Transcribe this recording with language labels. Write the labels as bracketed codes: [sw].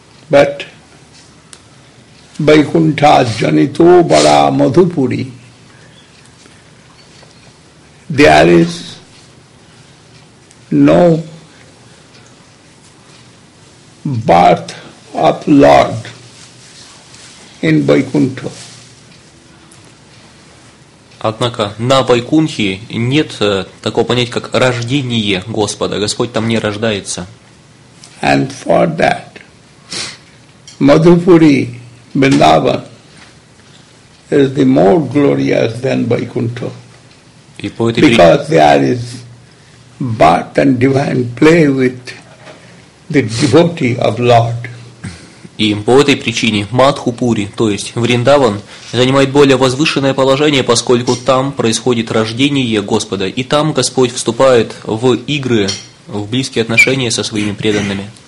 [en] But [bn] Vaikuntha janito bara madhupuri, [en] there is no birth of Lord in Vaikuntha. [ru] Однако на Вайкунхе нет такого понятия, как рождение Господа. Господь там не рождается. [en] And for that, Madhupuri, Vrindavan, is the more glorious than Vaikuntha. Because there is birth and divine play with the devotee of Lord. [ru] И по этой причине Мадхупури, то есть Вриндаван, занимает более возвышенное положение, поскольку там происходит рождение Господа, и там Господь вступает в игры, в близкие отношения со своими преданными.